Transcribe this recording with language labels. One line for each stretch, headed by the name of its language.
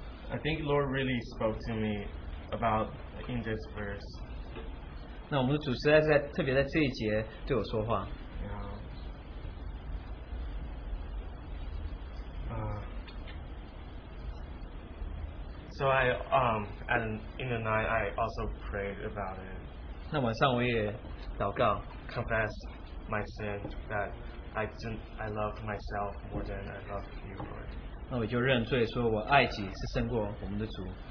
English: I think Lord really spoke to me about in this verse.
Chinese: 那我们的主实在是在特别在这一节对我说话。
English: Yeah. So I, at an, in the night, I also prayed about it.
Chinese: 那晚上我也祷告,
English: confessed my sin that I didn't, I loved myself more than I loved you, Lord.
Chinese: 那我就认罪说我爱己是胜过我们的主。